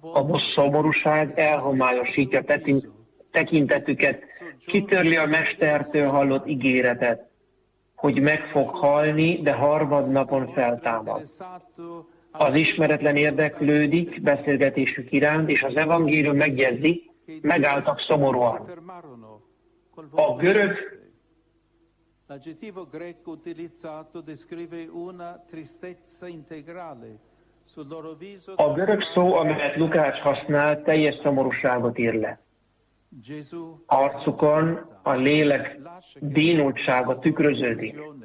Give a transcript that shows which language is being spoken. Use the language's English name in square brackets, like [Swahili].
[Hungarian] A szomorúság elhomályosítja tekintetüket, kitörli a mestertől hallott ígéretet, hogy meg fog halni, de harmadnapon feltámad. Az ismeretlen érdeklődik beszélgetésük iránt, és az evangélium megjegyzi, megálltak szomorúan. A görög... [Italian] L'aggettivo greco utilizzato descrive una tristezza integrale sul loro viso. [Hungarian] A görög szó, amelyet Lukács használ, teljes szomorúságot ír le. Arcukon a lélek bénultsága tükröződik.